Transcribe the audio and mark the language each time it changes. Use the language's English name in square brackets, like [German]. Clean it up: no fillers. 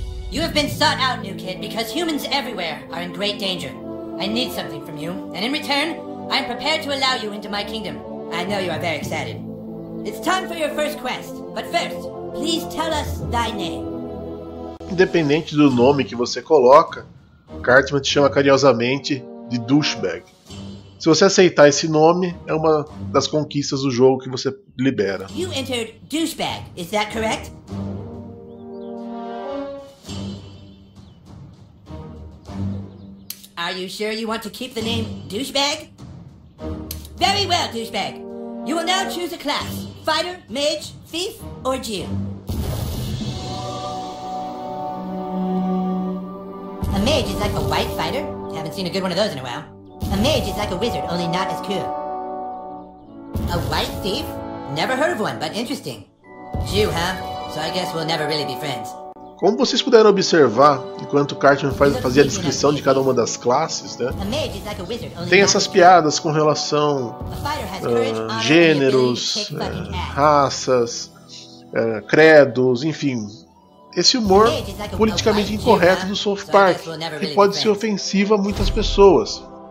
[English] You have been sought out, new kid, because humans everywhere are in great danger. I need something from you, and in return, I am prepared to allow you into my kingdom. I know you are very excited. It's time for your first quest, but first, please tell us thy name. [Portuguese] Independente do nome que você coloca, Cartman te chama carinhosamente de Douchebag. Se você aceitar esse nome, é uma das conquistas do jogo que você libera. [English] You entered Douchebag, is that correct? Are you sure you want to keep the name Douchebag? Very well, Douchebag. You will now choose a class. Fighter, Mage, Thief, or Jew. A Mage is like a white fighter. Haven't seen a good one of those in a while. A mage is like a wizard, only not as cool. A white thief? Never heard of one, but interesting. Jew, huh? So I guess we'll never really be friends. [Portuguese] Como vocês puderam observar, enquanto Cartman fazia a descrição de cada uma das classes, né? Tem essas piadas com relação gêneros, raças, credos, enfim. Esse humor politicamente incorreto do South Park, que pode ser ofensivo a muitas pessoas.